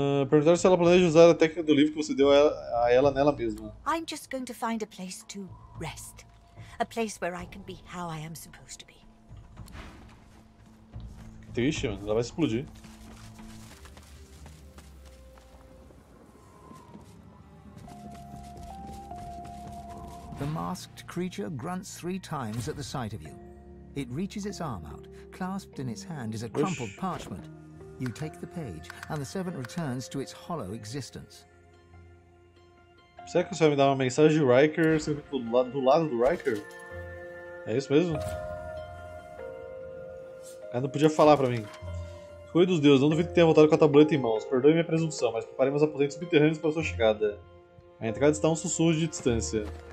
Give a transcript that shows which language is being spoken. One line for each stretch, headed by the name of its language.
Portuguese: Perguntar se ela planeja usar a técnica do livro que você deu a ela nela mesma.
English: I'm just going to find a place to rest. A place where I can be how I am supposed to be.
Portuguese: Que triste, mano. Ela vai explodir.
English: The masked creature grunts three times at the sight of you. It reaches its arm out. Clasped in its hand is a crumpled parchment. You take the page, and the servant returns to its hollow existence.
Portuguese: Será que você vai me dar uma mensagem de Riker? Você vai ficar do lado do Riker? É isso mesmo? Ela não podia falar pra mim. Foi dos deuses, não duvido que tenha voltado com a tabuleta em mãos. Perdoe minha presunção, mas preparei meus aposentos subterrâneos para sua chegada. A entrada está a um sussurro de distância.